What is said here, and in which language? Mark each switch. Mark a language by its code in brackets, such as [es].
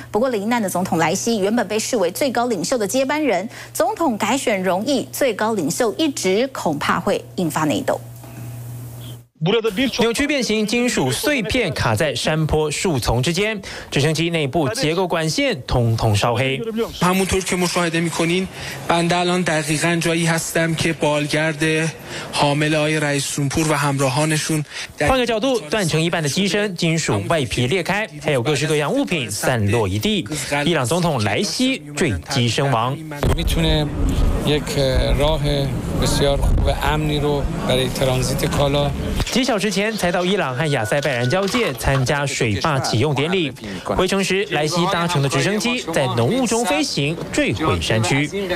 [zh] 不过，罹难的总统莱西原本被视为最高领袖的接班人，总统改选容易，最高领袖一职恐怕会引发内斗。扭曲变形金属碎片卡在山坡树丛之间，直升机内部结构管线通通烧黑。 [fa] همونطور که مشاهده میکنین بنده الان دقیقاً جایی هستم که بالگرد حامل آقای رئیس جمهور و همراهانشون. [zh] 换个角度，断成一半的机身金属外皮裂开，还有各式各样物品散落一地。伊朗总统莱西坠机身亡。 [fa] میتونه یک راه بسیار خوب امنی رو برای ترانزیت کالا [zh] 几小时前才到伊朗和亚塞拜然交界参加水坝启用典礼，回程时莱西搭乘的直升机在浓雾中飞行坠毁山区。